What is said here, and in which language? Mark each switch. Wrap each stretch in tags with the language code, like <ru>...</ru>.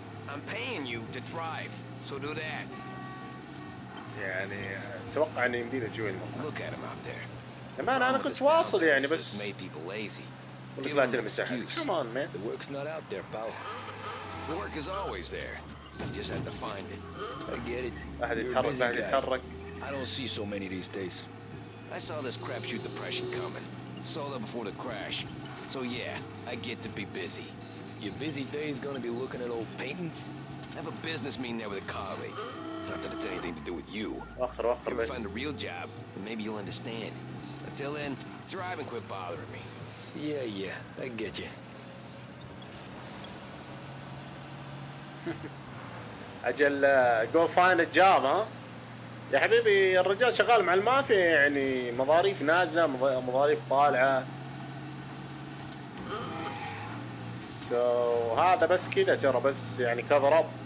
<en>I'm paying you to drive, so do that.</en> <ar>يعني اتوقع اني يمدينا نسوي المره.</ar> <en>Look at him out there.</en> <ar>يا مان انا كنت واصل يعني بس.</ar> <en>Made people lazy.</en> <ar>قلت لا تلمس احد.</ar> <en>Come on, man. The work's not out there, pal. The work is always there. You just have to find it. I get it.</en> <ar>واحد يتحرك، واحد يتحرك.</ar> <en>I don't see so many these days. I saw this crapshoot depression coming. Sold up before the crash. So yeah, I get to be busy. Your busy day's gonna be looking at old paintings? Have a business meeting there with a colleague. Not that it's anything to do with you.</en> <ar>آخر آخر بس.</ar> <en>Find a real job, and maybe you'll understand. Until then, drive and quit bothering me. Yeah, yeah, I get you. أجل go find a job, huh?</en> <ar>يا حبيبي الرجال شغال مع المافيا يعني مظاريف نازلة مظاريف طالعة. So هذا بس كده ترى بس يعني cover up.</ar>